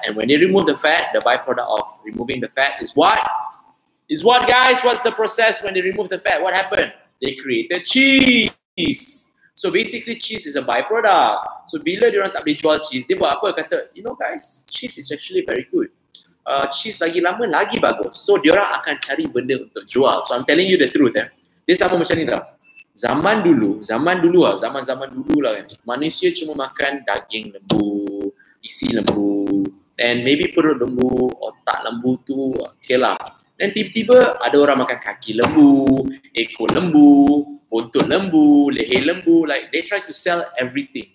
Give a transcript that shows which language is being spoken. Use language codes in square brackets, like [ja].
[en] And when they remove the fat, the byproduct of removing the fat is what? Is what, guys? What's the process when they remove the fat? What happened? They created cheese. So basically, cheese is a byproduct. [ms] So bila dia orang tak boleh jual cheese, dia buat apa? [en] Kata, you know guys, cheese is actually very good. [ms] Cheese lagi lama, lagi bagus. So dia orang akan cari benda untuk jual. [en] So I'm telling you the truth. [ms] Eh? Dia sama macam ni tau. Zaman dulu lah kan, manusia cuma makan daging lembu, isi lembu, [en] and maybe [ms] perut lembu, otak lembu tu, okay lah. Dan tiba-tiba ada orang makan kaki lembu, ekor lembu, buntut lembu, leher lembu, [en] like they try to sell everything.